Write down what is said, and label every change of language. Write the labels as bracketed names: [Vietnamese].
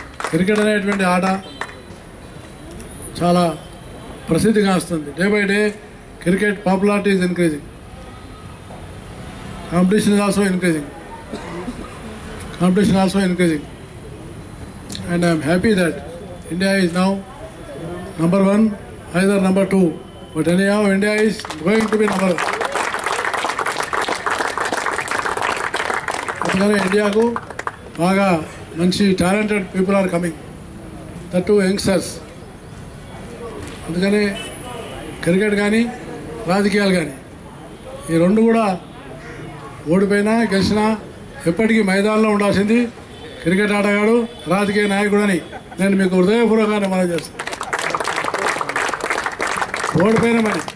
[Telugu] Cricket అనేటువంటి ఆట చాలా ప్రసిద్ధిగా వస్తుంది. [English] Day by day cricket popularity is increasing, competition also increasing. And I'm happy that India is now number one, either number two. But anyhow, India is going to be number one. India [Telugu] ko baga manchi [English] talented people are coming. The two youngsters. [Telugu] అందుకనే cricket కానీ రాజకీయాలు కానీ ఈ రెండు కూడా ఓడిపోయినా గెలిచినా ఎప్పటికీ మైదానంలో ఉండాల్సింది క్రికెట్ ఆటగాడు రాజకీయ నాయకుడు అని నేను మీకు హృదయపూర్వకంగా మనవి చేస్తాను.